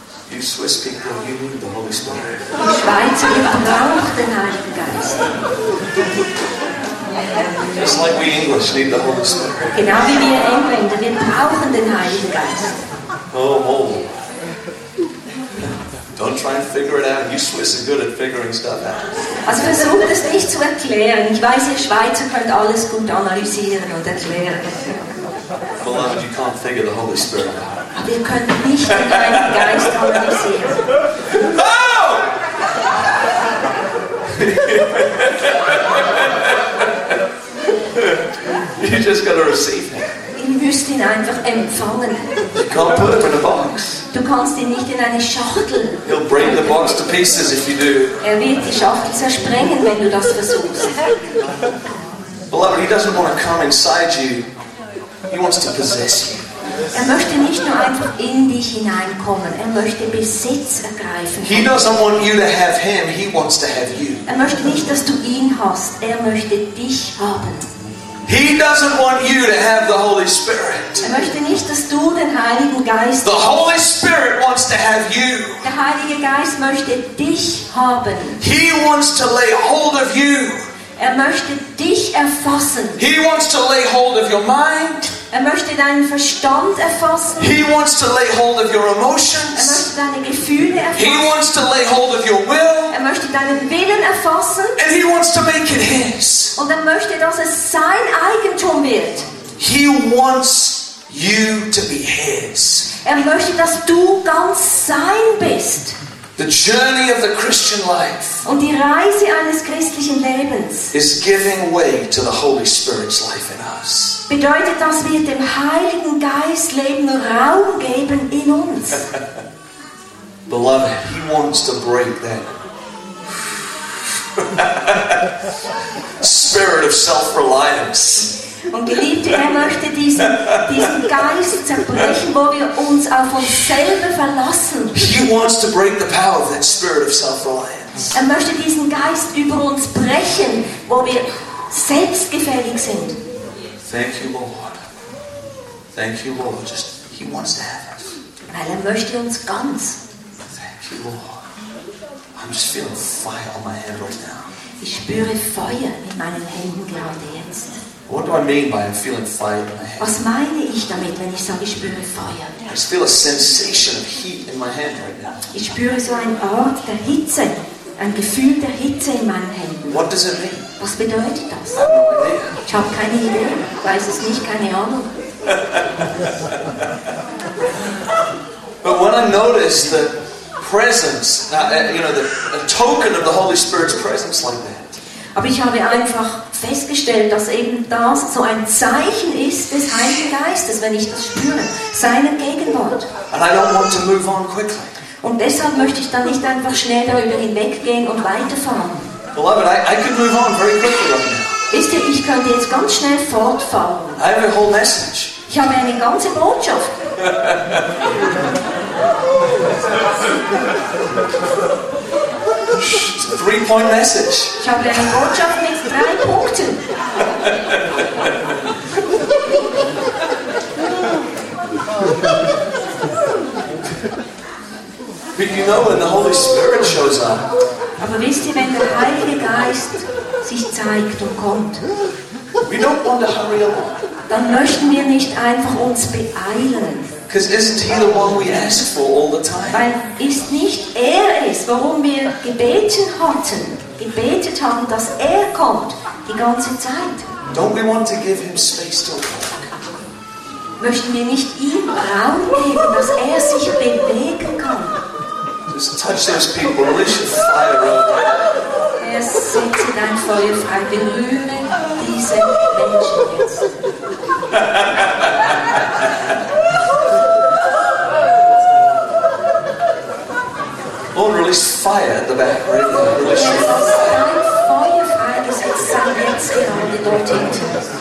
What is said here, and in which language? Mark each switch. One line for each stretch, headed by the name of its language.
English: You Swiss people, you need the Holy Spirit.
German: Die Schweizer, ihr braucht den Heiligen Geist.
English: Just like we English need the Holy Spirit.
German: Genau wie wir Engländer, wir brauchen den Heiligen Geist.
English: Oh. Don't try and figure it out. You Swiss are good at figuring stuff out.
German: Also versuch das nicht zu erklären. Ich weiß, ihr Schweizer könnt alles gut analysieren und erklären.
English: Beloved, you can't figure the Holy Spirit out.
German: Aber ihr könnt nicht den Heiligen Geist analysieren.
English: No! You just gotta receive it.
German: Du musst ihn einfach empfangen.
English: You can't put him in a box.
German: Du kannst ihn nicht in eine Schachtel.
English: He'll bring the box to pieces if you do.
German: Er wird die Schachtel zersprengen, wenn du das versuchst.
English: Beloved, he doesn't want to come inside you. He wants to possess you.
German: Er möchte nicht nur einfach in dich hineinkommen. Er möchte Besitz ergreifen.
English: He doesn't want you to have him. He wants to have you.
German: Er möchte nicht, dass du ihn hast. Er möchte dich haben.
English: He doesn't want you to have the Holy Spirit.
German: Er möchte nicht, dass du den Heiligen Geist.
English: The Holy Spirit wants to have you.
German: Der Heilige Geist möchte dich haben.
English: He wants to lay hold of you.
German: Er möchte dich erfassen.
English: He wants to lay hold of your mind.
German: Er möchte deinen Verstand erfassen.
English: He wants to lay hold of your emotions.
German: Er möchte deine Gefühle erfassen.
English: He wants to lay hold of your will.
German: Er möchte deinen Willen erfassen.
English: And he wants to make it his.
German: Und er möchte, dass es sein Eigentum wird.
English: He wants you to be his.
German: Er möchte, dass du ganz sein bist.
English: The journey of the Christian life.
German: Und die Reise eines christlichen Lebens.
English: Is giving way to the Holy Spirit's life in us.
German: Bedeutet, dass wir dem Heiligen Geist Leben Raum geben in uns.
English: Beloved, he wants to break that spirit of self-reliance.
German: Und Geliebte, er möchte diesen Geist zerbrechen, wo wir uns auf uns selber verlassen.
English: He wants to break the power of that spirit of self-reliance.
German: Er möchte diesen Geist über uns brechen, wo wir selbstgefällig sind.
English: Thank you, Lord. Thank you, Lord. Just, he wants to have us.
German: Weil er möchte uns ganz.
English: Thank you, Lord. I'm just feeling fire on my head right now.
German: Ich spüre Feuer in meinen Händen gerade jetzt.
English: What do I mean by I'm feeling fire in my head?
German: Was meine ich damit, wenn ich sage, ich spüre Feuer?
English: I just feel a sensation of heat in my hand right now.
German: Ich spüre so eine Art der Hitze, ein Gefühl der Hitze in meinen Händen.
English: What does it mean?
German: Was bedeutet das?
English: I have no idea.
German: Ich habe keine Idee. Ich weiß es nicht, keine Ahnung.
English: But when I notice the presence, you know, the token of the Holy Spirit's presence like that.
German: Aber ich habe einfach festgestellt, dass eben das so ein Zeichen ist des Heiligen Geistes, wenn ich das spüre, seiner Gegenwart.
English: And I don't want to move on quickly.
German: Und deshalb möchte ich dann nicht einfach schnell darüber hinweggehen und weiterfahren.
English: Beloved, I can move on very quickly right now.
German: Wisst ihr, ich könnte jetzt ganz schnell fortfahren.
English: I have a whole message.
German: Ich habe eine ganze Botschaft.
English: It's a 3-point message.
German: Ich habe eine Botschaft mit 3 Punkten.
English: But you know, when the Holy Spirit shows up.
German: Aber wisst ihr, wenn der Heilige Geist sich zeigt und kommt.
English: We don't want to hurry along.
German: Dann möchten wir nicht einfach uns beeilen.
English: Because isn't he the one we ask for all the time?
German: Weil ist nicht es, warum wir gebetet haben, dass kommt die ganze Zeit.
English: Don't we want to give him space to work?
German: Möchten wir nicht ihm Raum geben, dass sich bewegen kann?
English: Just touch those people, release your fire around them.
German: Setze dein Feuer frei, berühre diese Menschen jetzt.
English: Lord, release fire at the back, right there.
German: Dein Feuer freigesetzt sei jetzt gerade dort hinten.